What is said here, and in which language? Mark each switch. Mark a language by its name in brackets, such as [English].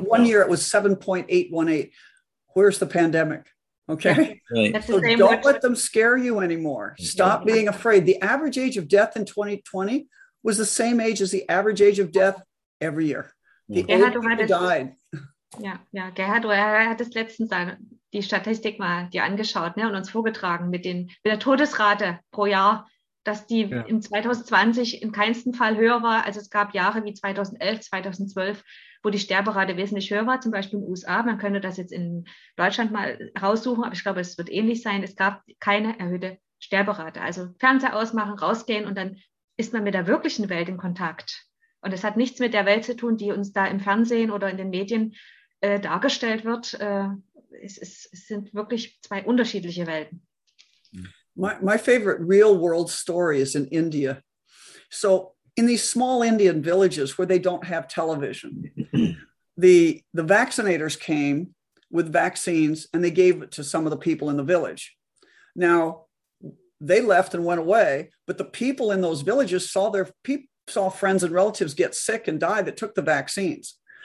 [English] One year it was 7.818. Where's the pandemic? Okay. Right. So don't let them scare you anymore. Stop being afraid. The average age of death in 2020 was the same age as the average age of death every year. The Gerhard, old people died. [German] Ja, Gerhard, er hat es letztens die Statistik mal dir angeschaut, ne, und uns vorgetragen mit der Todesrate pro Jahr, dass die im 2020 in keinsten Fall höher war. Also es gab Jahre wie 2011, 2012, wo die Sterberate wesentlich höher war, zum Beispiel in den USA. Man könnte das jetzt in Deutschland mal raussuchen, aber ich glaube, es wird ähnlich sein. Es gab keine erhöhte Sterberate. Also Fernseher ausmachen, rausgehen und dann ist man mit der wirklichen Welt in Kontakt. Und es hat nichts mit der Welt zu tun, die uns da im Fernsehen oder in den Medien dargestellt wird. Es sind wirklich zwei unterschiedliche Welten. [English] My favorite real world story is in India. So in these small Indian villages where they don't have television, the vaccinators came with vaccines and they gave it to some of the people in the village. Now they left and went away, but the people in those villages saw saw friends and relatives get sick and die that took the vaccines.